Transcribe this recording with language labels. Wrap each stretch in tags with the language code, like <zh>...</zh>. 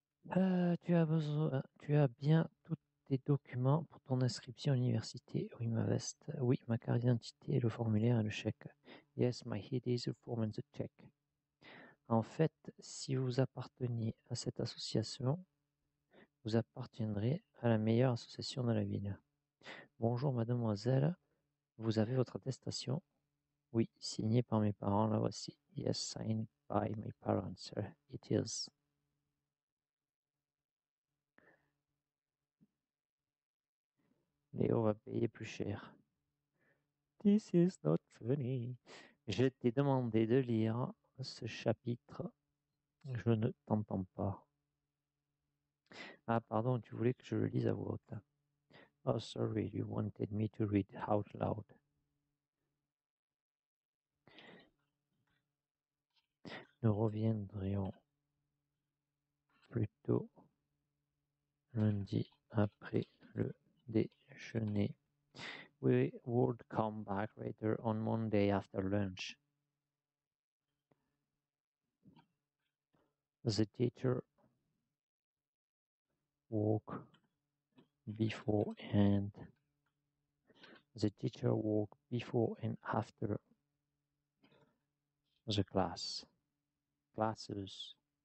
<fr>Tu as bien tous tes documents pour ton inscription à l'université. Oui, ma veste. Oui, ma carte d'identité et le formulaire et le chèque.</fr> <en>Yes, my ID, the form and the check.</en> <fr>En fait, si vous apparteniez à cette association, vous appartiendrez à la meilleure association de la ville. Bonjour, mademoiselle. Vous avez votre attestation? Oui, signée par mes parents, la voici.</fr> <en>Yes, signed by my parents, it is.</en> <fr>Léo va payer plus cher.</fr> <en>This is not funny.</en> <fr>Je t'ai demandé de lire ce chapitre. Je ne t'entends pas. Ah, pardon, tu voulais que je le lise à voix haute.</fr> <en>Oh, sorry, you wanted me to read out loud.</en> <fr>Nous reviendrions plus tôt lundi après le déjeuner.</fr> <en>We would come back later on Monday after lunch. The teacher woke before and after the classes.</en>